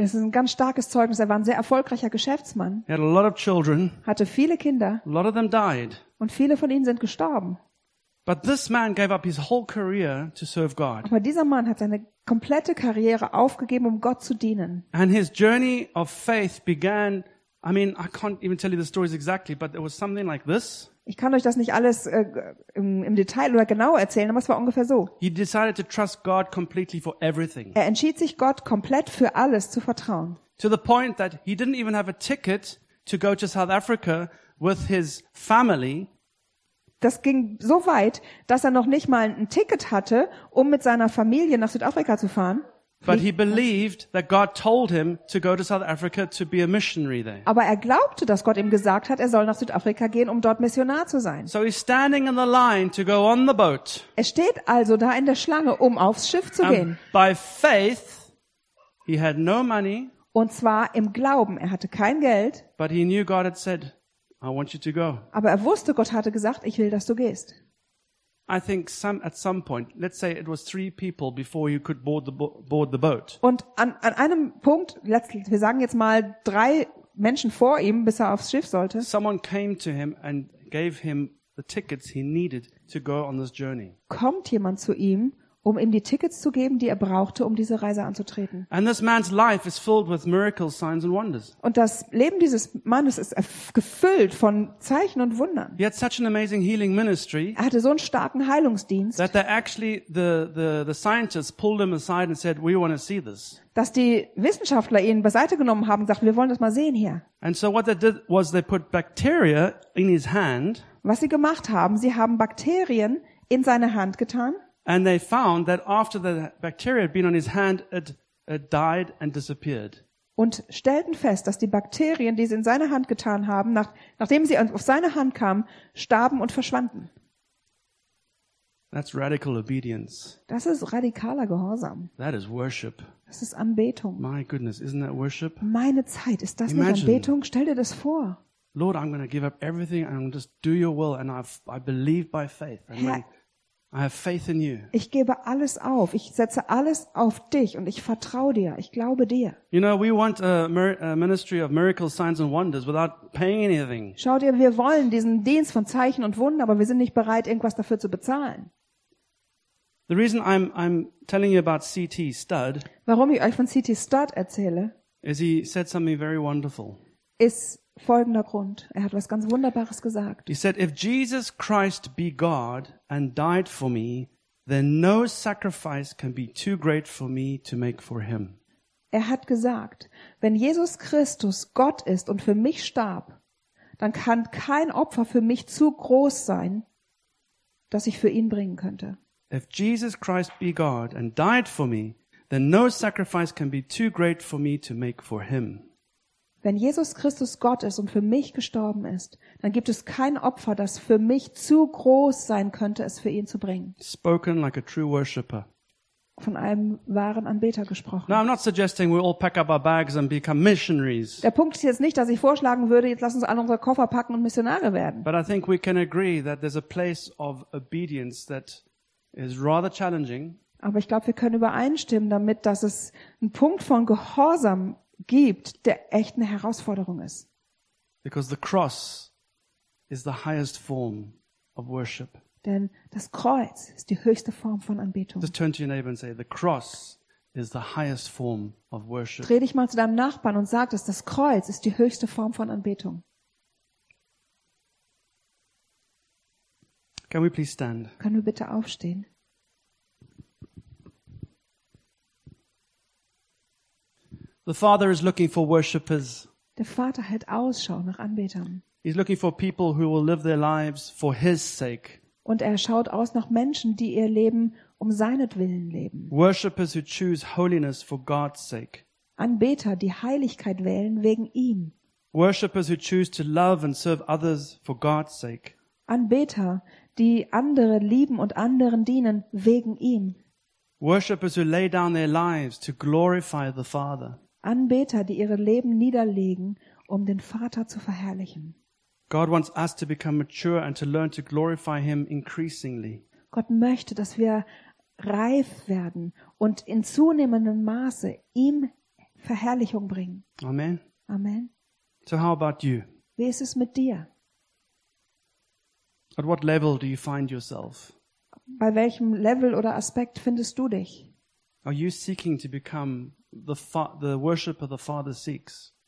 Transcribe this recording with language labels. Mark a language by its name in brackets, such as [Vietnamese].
[German] Es ist ein ganz starkes Zeugnis. Er war ein sehr erfolgreicher Geschäftsmann. [English] He had a lot of children. [German] Hatte viele Kinder. [English] A lot of them died. [German] Und viele von ihnen sind gestorben. [English] But this man gave up his whole career to serve God. [German] Aber dieser Mann hat seine komplette Karriere aufgegeben, um Gott zu dienen. [English] And his journey of faith began. I mean, I can't even tell you the stories exactly, but it was something like this. [German] Ich kann euch das nicht alles im Detail oder genau erzählen, aber es war ungefähr so. [English] He decided to trust God completely for everything. [German] Er entschied sich, Gott komplett für alles zu vertrauen. [English] To the point that he didn't even have a ticket to go to South Africa with his family. [German] Das ging so weit, dass er noch nicht mal ein Ticket hatte, um mit seiner Familie nach Südafrika zu fahren. [English] But he believed that God told him to go to South Africa to be a missionary there. [German] Aber er glaubte, dass Gott ihm gesagt hat, er soll nach Südafrika gehen, um dort Missionar zu sein. [English] So he's standing in the line to go on the boat. [German] Er steht also da in der Schlange, um aufs Schiff zu gehen. [English] By faith he had no money. [German] Und zwar im Glauben, er hatte kein Geld. [English] But he knew God had said, I want you to go. [German] Aber er wusste, Gott hatte gesagt, ich will, dass du gehst. [English] I think some at some point, let's say it was three people before you could board the boat. [German] Und an einem Punkt, wir sagen jetzt mal drei Menschen vor ihm, bis er aufs Schiff sollte. [English] Someone came to him and gave him the tickets he needed to go on this journey. [German] Kommt jemand zu ihm, um ihm die Tickets zu geben, die er brauchte, um diese Reise anzutreten. [English] And this man's life is filled with miracles, signs and wonders. [German] Und das Leben dieses Mannes ist gefüllt von Zeichen und Wundern. [English] He had such an amazing healing ministry. [German] Er hatte so einen starken Heilungsdienst. [English] That actually the scientists pulled him aside and said, we want to see this. [German] Dass die Wissenschaftler ihn beiseite genommen haben und sagten, wir wollen das mal sehen hier. [English] And so what they did was they put bacteria in his hand. [German] Was sie gemacht haben, sie haben Bakterien in seine Hand getan. [English] And they found that after the bacteria had been on his hand, it died and disappeared. [German] Und stellten fest, dass die Bakterien, die sie in seine Hand getan haben, nachdem sie auf seine Hand kamen, starben und verschwanden. [English] That's radical obedience. [German] Das ist radikaler Gehorsam. [English] That is worship. [German] Das ist Anbetung. [English] My goodness, isn't that worship? [German] Meine Zeit, ist das nicht Anbetung? Stell dir das vor. [English] Lord, I'm going to give up everything and just do your will and I believe by faith. And I have faith in you. [German] Ich gebe alles auf. Ich setze alles auf dich und ich vertraue dir. Ich glaube dir. [English] You know, we want a ministry of miracles, signs and wonders without paying anything. [German] Schau dir, wir wollen diesen Dienst von Zeichen und Wunden, aber wir sind nicht bereit, irgendwas dafür zu bezahlen. [English] The reason I'm telling you about CT Studd. [German] Warum ich euch von CT Studd erzähle? [English] Is he said something very wonderful. [German] Ist folgender Grund. Er hat was ganz Wunderbares gesagt. [English] He said, if Jesus Christ be God and died for me, then no sacrifice can be too great for me to make for him. [German] Er hat gesagt, wenn Jesus Christus Gott ist und für mich starb, dann kann kein Opfer für mich zu groß sein, das ich für ihn bringen könnte. [English] If Jesus Christ be God and died for me, then no sacrifice can be too great for me to make for him. [German] Wenn Jesus Christus Gott ist und für mich gestorben ist, dann gibt es kein Opfer, das für mich zu groß sein könnte, es für ihn zu bringen. [English] Spoken like a true worshipper. [German] Von einem wahren Anbeter gesprochen. [English] Now I'm not suggesting we all pack up our bags and become missionaries. [German] Der Punkt ist jetzt nicht, dass ich vorschlagen würde, jetzt lass uns alle unsere Koffer packen und Missionare werden. [English] But I think we can agree that there's a place of obedience that is rather challenging. [German] Aber ich glaube, wir können übereinstimmen damit, dass es ein Punkt von Gehorsam gibt, der echt eine Herausforderung ist. [English] Because the cross is the highest form of worship. [German] Denn das Kreuz ist die höchste Form von Anbetung. [English] Just turn to your neighbor and say, the cross is the highest form of worship. [German] Dreh dich mal zu deinem Nachbarn und sag, dass das Kreuz ist die höchste Form von Anbetung. [English] Can we please stand? [German] Können wir bitte aufstehen? [English] The Father is looking for worshippers. [German] Der Vater hält Ausschau nach Anbetern. [English] He's looking for people who will live their lives for his sake. [German] Und er schaut aus nach Menschen, die ihr Leben um seinetwillen leben. [English] Worshippers who choose holiness for God's sake. [German] Anbeter, die Heiligkeit wählen wegen ihm. [English] Worshippers who choose to love and serve others for God's sake. [German] Anbeter, die andere lieben und anderen dienen wegen ihm. [English] Worshippers who lay down their lives to glorify the Father. [German] Anbeter, die ihre Leben niederlegen, um den Vater zu verherrlichen. [English] God wants us to become mature and to learn to glorify him increasingly. [German] Gott möchte, dass wir reif werden und in zunehmendem Maße ihm Verherrlichung bringen. [English] Amen. [German] Amen. [English] So how about you? [German] Wie ist es mit dir? [English] At what level do you find yourself? [German] Bei welchem Level oder Aspekt findest du dich? [English] Are you seeking to become the worshipper the Father seeks?